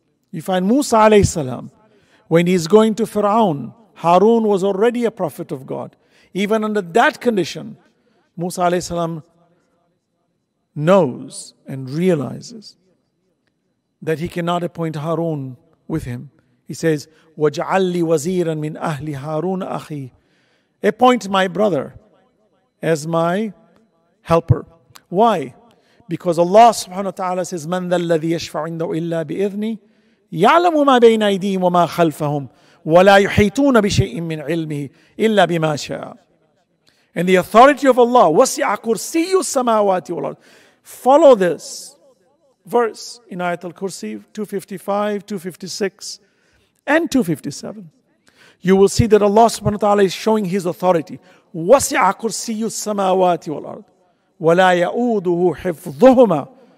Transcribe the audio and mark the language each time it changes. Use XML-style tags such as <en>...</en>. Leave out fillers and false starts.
<en>You find Musa alayhi salam, when he's going to Fir'aun, Harun was already a prophet of God. Even under that condition, Musa alayhi salam knows and realizes that he cannot appoint Harun with him. He says,</en> <ar>وَجْعَلِّ وَزِيرًا مِنْ أَهْلِ هَارُونَ أَخِي.</ar> <en>Appoint my brother as my helper. Why? Because Allah subhanahu wa ta'ala says,</en> <ar>مَنْ ذَا الَّذِي يَشْفَعُ عِنْدَهُ إِلَّا بِإِذْنِي يَعْلَمُ مَا بَيْنَ أَيْدِيهِمْ وَمَا خَلْفَهُمْ وَلَا يُحِيطُونَ بِشَيْءٍ مِنْ عِلْمِهِ إِلَّا بِمَا شَاءَ.</ar> <en>And the authority of Allah,</en> <ar>وَسِعَ كُرْسِيُّ السَّمَاوَاتِ وَالْأَرْضِ.</ar> <en>Follow this verse in Ayat al-Kursi 255, 256, and 257. You will see that Allah subhanahu wa ta'ala is showing His authority.</en> <ar>وَسِعَ كُرْسِيُّ السَّمَاوَاتِ وَالْأَرْضِ وَلَا يَؤُودُهُ حِفْظُهُمَا.</ar>